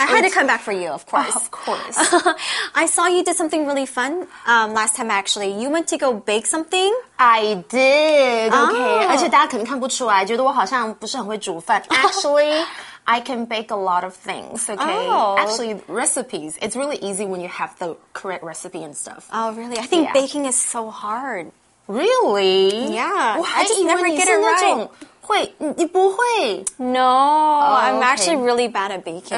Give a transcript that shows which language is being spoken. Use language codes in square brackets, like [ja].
[en] I had to come back for you, of course. Of course. I saw you did something really fun last time, actually. You went to go bake something. I did. Okay. [zh] 而且大家肯定看不出来，觉得我好像不是很会煮饭。 [en] Actually, I can bake a lot of things, okay? Oh. Actually, recipes. It's really easy when you have the correct recipe and stuff. Oh, really? I think baking is so hard. Really? Yeah. Well, I just never get it right. [zh] 会你不会 [en] No, I'm actually really bad at baking.